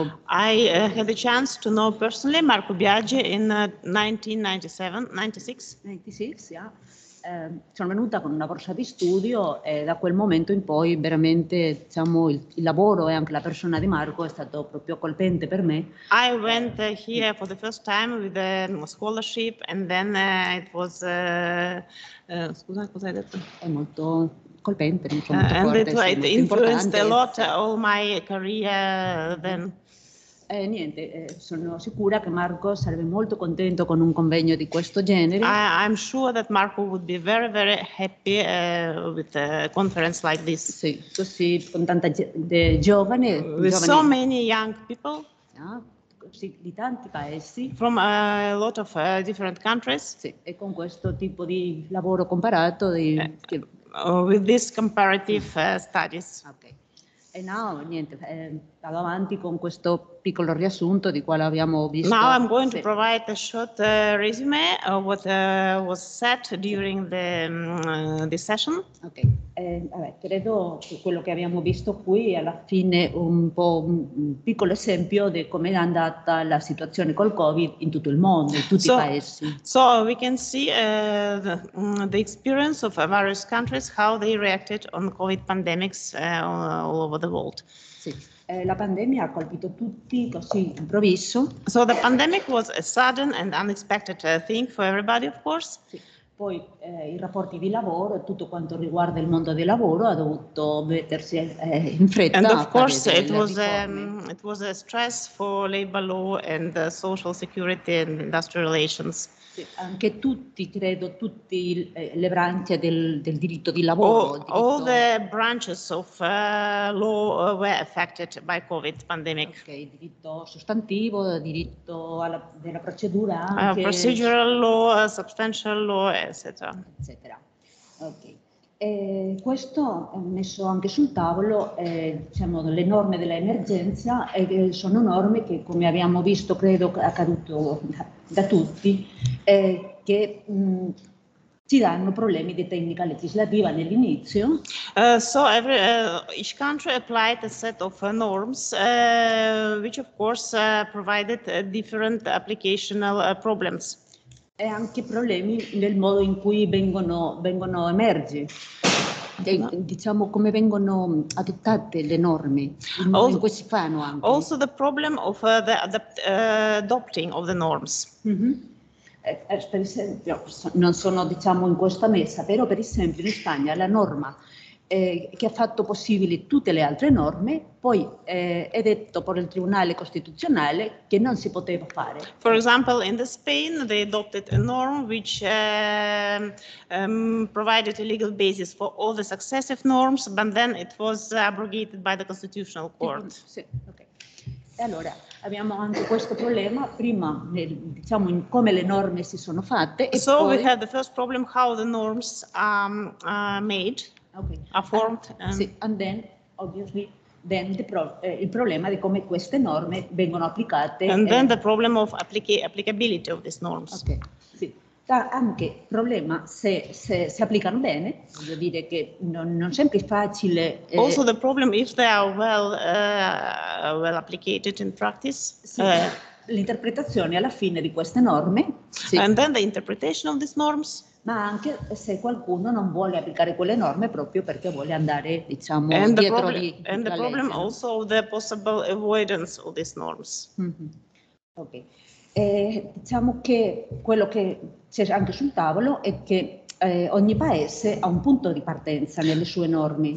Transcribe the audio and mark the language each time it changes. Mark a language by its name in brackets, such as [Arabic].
[English] I had the chance to know personally Marco Biagi in 1996. Yeah. [Italian] Sono venuta con una borsa di studio e da quel momento in poi veramente diciamo il lavoro e anche la persona di Marco è stato proprio colpente per me. [English] I went here for the first time with a scholarship and then it was [Italian] scusa cosa hai detto? È molto colpente, molto forte, [English] and it influenced a lot all my career then. [Italian] Niente, sono sicura che Marco sarebbe molto contento con un convegno di questo genere. [English] I'm sure that Marco would be very, very happy with a conference like this. [Italian] Sì, così, con tanta giovane. [English] With so many young people. [Italian] Sì, di tanti paesi. [English] From a lot of different countries. [Italian] Sì, e con questo tipo di lavoro comparato. [English] With these comparative studies. Okay. [Italian] E now, niente, vado avanti con questo piccolo riassunto di quale abbiamo visto. [English] Now I'm going to provide a short resume of what was said during the session. [Italian] Ok, vabbè, credo che quello che abbiamo visto qui alla fine un po' un piccolo esempio di come è andata la situazione col Covid in tutto il mondo, in tutti i paesi. [English] So we can see the experience of various countries, how they reacted on Covid pandemics all over the world. [Italian] Sì. La pandemia ha colpito tutti così improvviso. [English] So the pandemic was a sudden and unexpected thing for everybody, of course. [Italian] Sì. Poi I rapporti di lavoro e tutto quanto riguarda il mondo del lavoro ha dovuto mettersi in fretta. [English] And of course it was a stress for labor law and social security and industrial relations. [Italian] Anche tutti, credo, tutti le branche del diritto di lavoro. [English] All the branches of law were affected by COVID pandemic. [Italian] Ok, diritto sostantivo, diritto della procedura. Anche, [English] procedural law, substantial law, etc. Ok. [Italian] Questo è messo anche sul tavolo, diciamo, le norme dell'emergenza, sono norme che, come abbiamo visto, credo accaduto da tutti, che ci danno problemi di tecnica legislativa nell'inizio. [English] Each country applied a set of norms, which of course provided different applicational problems. [Italian] E anche problemi nel modo in cui vengono emergi. Diciamo come vengono adottate le norme, [English] also, [Italian] in cui si fanno anche. [English] Also the problem of the adopting of the norms. [Italian] Per esempio, non sono diciamo in questa mesa, però per esempio in Spagna la norma che ha fatto possibile tutte le altre norme, poi è detto per il Tribunale Costituzionale che non si poteva fare. [English] For example, in the Spain they adopted a norm which provided a legal basis for all the successive norms, but then it was abrogated by the Constitutional Court. [Italian] Sì, ok. E allora abbiamo anche questo problema prima, diciamo, in come le norme si sono fatte. E [English] so [Italian] poi [English] we have the first problem, how the norms made. Okay. Formed, [Italian] sì, [English] and then, obviously, then the [Italian] il problema di come queste norme vengono applicate. [English] And then the problem of applicability of these norms. [Italian] Ok, sì. Anche problema se applicano bene, voglio dire che non sempre è facile. [English] Also the problem if they are well applicated in practice. [Italian] Sì. L'interpretazione alla fine di queste norme. Sì. [English] And then the interpretation of these norms. [Italian] Ma anche se qualcuno non vuole applicare quelle norme proprio perché vuole andare, diciamo, [English] and [Italian] dietro [English] the problem, di and the problem also of the possible avoidance of these norms. Mm-hmm. Ok. [Italian] Diciamo che quello che c'è anche sul tavolo è che ogni paese ha un punto di partenza nelle sue norme.